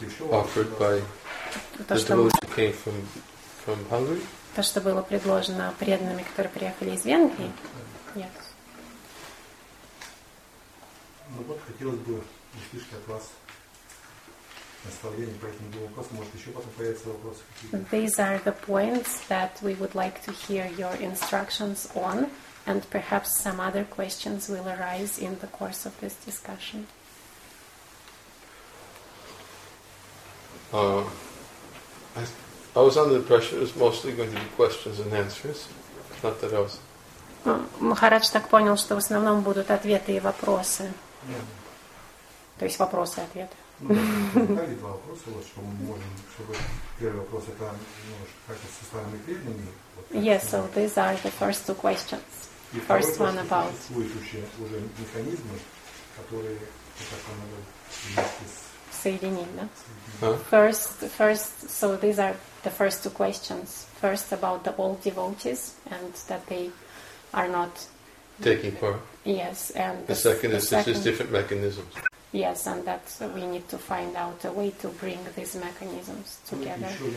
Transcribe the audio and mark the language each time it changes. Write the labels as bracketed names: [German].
[English] Offered by the devotees who came from Hungary. [Russian] То, что было предложено преданными, которые приехали из Венгрии. Нет. Ну вот хотелось бы услышать от вас наставление по этим двум вопросам. Может, еще потом появятся вопросы какие-то. [English] These are the points that we would like to hear your instructions on, and perhaps some other questions will arise in the course of this discussion. I was under the impression it was mostly going to be questions and answers. Not that I was. [Russian] Махарадж так понял, что в основном будут ответы и вопросы. То есть вопросы и ответы. Дали два вопроса, что мы можем, чтобы первый вопрос это как-то со стороны преданными. [English] Yes, so these are the first two questions. First one about. [Russian] Уже механизмы, которые как-то надо вместе с. Соединить, да? [English] First, so these are the first two questions. First about the old devotees and that they are not taking part. Yes, and the second is just different mechanisms. Yes, and that we need to find out a way to bring these mechanisms together.